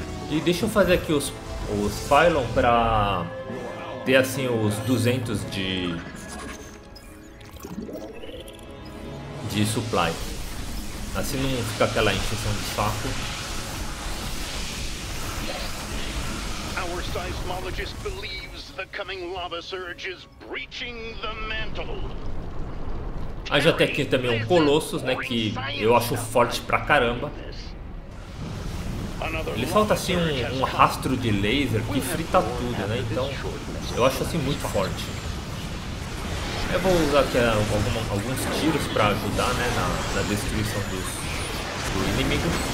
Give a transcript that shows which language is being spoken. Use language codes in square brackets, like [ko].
[pt] E deixa eu fazer aqui os Pylon pra ter assim os 200 de supply, assim não fica aquela encheção de saco. [en] Our seismologist believes the coming lava surge is breaching the mantle. [pt] Aí já tem aqui também um Colossus, né, que eu acho forte pra caramba. Ele solta assim um rastro de laser que frita tudo, né? Então, eu acho assim muito forte. Eu vou usar aqui alguns tiros para ajudar, né, na destruição do inimigo.